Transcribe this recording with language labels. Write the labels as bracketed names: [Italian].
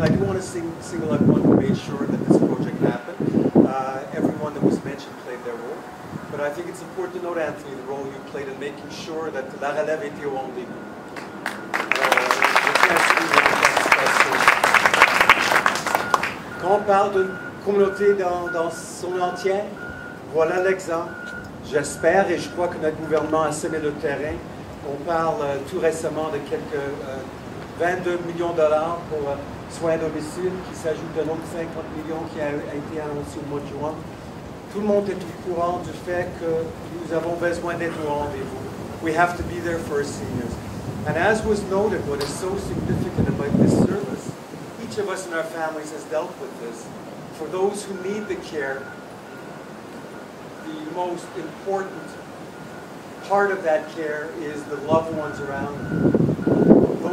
[English] I do want to single out one who made sure that this project happened. Everyone that was mentioned played their role. But I think it's important to note, Anthony, the role you played in making sure that [French] la relève était au rendez-vous. Quand on parle d'une communauté dans son entier, voilà l'exemple. J'espère et je crois que notre gouvernement a semé le terrain. On parle tout récemment de quelques 22 millions de dollars pour soins à domicile, qui s'ajoute à un autre 50 millions qui a été annoncé au mois de juin. Tout le monde est au courant du fait que nous avons besoin d'être au rendez-vous. [English] We have to be there for our seniors. And as was noted, what is so significant about this service, each of us in our families has dealt with this. For those who need the care, the most important part of that care is the loved ones around them.